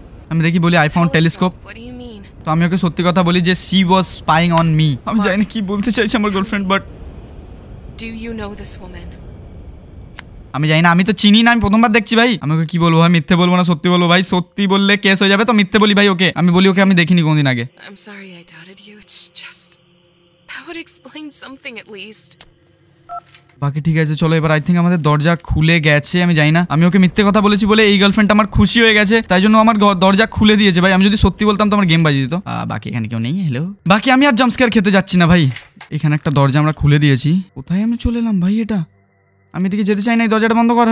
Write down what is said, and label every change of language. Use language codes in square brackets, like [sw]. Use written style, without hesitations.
[bn] আমি দেখি বলি [en] I found telescope, [bn] তো আমি ওকে সত্যি কথা বলি যে [en] She was spying on me. [bn] আমি জানি না কী বলতে চাইছে আমার girlfriend, but [en] Do you know this woman? [bn] আমি জানি না, আমি তো চিনি না, আমি প্রথমবার দেখছি ভাই। আমি ওকে কি বলবো ভাই, মিথ্যে বলবো না সত্যি বলবো ভাই? সত্যি বললে কেস হয়ে যাবে, তো মিথ্যে বলি ভাই ওকে। আমি বলি ওকে আমি দেখিনি কোনদিন আগে। [en] I'm sorry I doubted you, it's just that would explain something at least. [bn] বাকি ঠিক আছে চলো, এবার [en] I think [bn] আমাদের দরজা খুলে গেছে, আমি জানি না। আমি ওকে মিথ্যে কথা বলেছি বলে এই গার্লফ্রেন্ডটা আমার খুশি হয়ে গেছে, তাই জন্য আমার দরজা খুলে দিয়েছে ভাই। আমি যদি সত্যি বলতাম তো আমার গেম বাজিয়ে দিত। বাকি এখানে কেউ নেই, হ্যালো। বাকি আমি আর জাম্প স্কেয়ার খেতে যাচ্ছি না ভাই, এখানে একটা দরজা আমরা খুলে দিয়েছি। কোথায় আমি চলে এলাম ভাই, এটা আমি এদিকে যেতে চাই না, এই দরজাটা বন্ধ কর।